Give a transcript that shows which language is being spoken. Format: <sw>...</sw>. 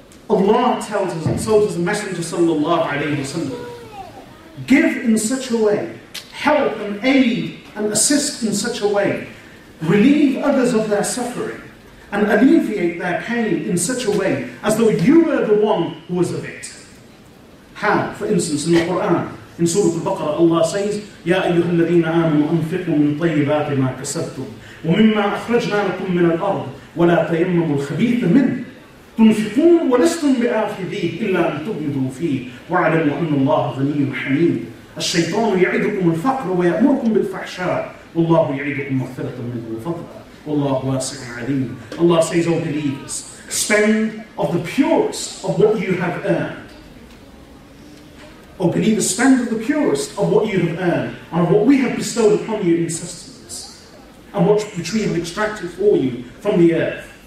<en>Allah tells us, and so does the Messenger sallallahu alayhi wa sallam, give in such a way, help and aid and assist in such a way, relieve others of their suffering and alleviate their pain in such a way as though you were the one who was a victim. How? For instance, in the Quran, in Surah Al-Baqarah, Allah says,</en> <ar>يَا أَيُّهَا الَّذِينَ آمَنُوا أَنْفِقُوا مِنْ طَيِّبَاتِ مَا كَسَبْتُمْ وَمِمَّا أَخْرَجْنَا لَكُمْ مِنَ الْأَرْضِ وَلَا تَيَمَّمُوا الْخَبِيثَ مِنْهُ تنفقون ولستم بآخذيه إلا أن تغمضوا فيه واعلموا أن الله غني حميد الشيطان يعدكم الفقر ويأمركم بالفحشاء والله يعدكم مغفرة منه وفضلا والله واسع عليم.</ar> <en>Allah says, O believers, spend of the purest of what you have earned. O believers, spend of the purest of what you have earned and of what we have bestowed upon you in sustenance and what which we have extracted for you from the earth.</en>